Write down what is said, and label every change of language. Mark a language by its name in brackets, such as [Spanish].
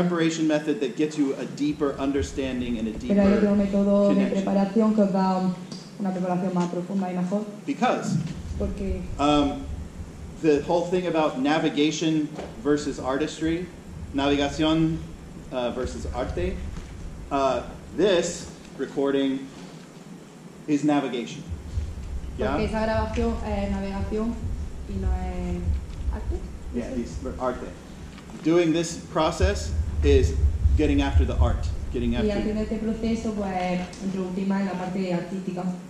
[English] A preparation method that gets you a deeper understanding and a deeper. [Spanish] Pero hay un método de preparación que os da una preparación más profunda y mejor. [English] Because. [Spanish] Porque. [English] The whole thing about navigation versus artistry, [Spanish] navigación versus arte, [English] this recording is navigation. Yeah? [Spanish] Porque esa grabación es navegación y no es arte. [English] Yeah, it's arte. Doing this process is getting after the art, getting after. [Spanish] Y haciendo este proceso pues última en la parte artística.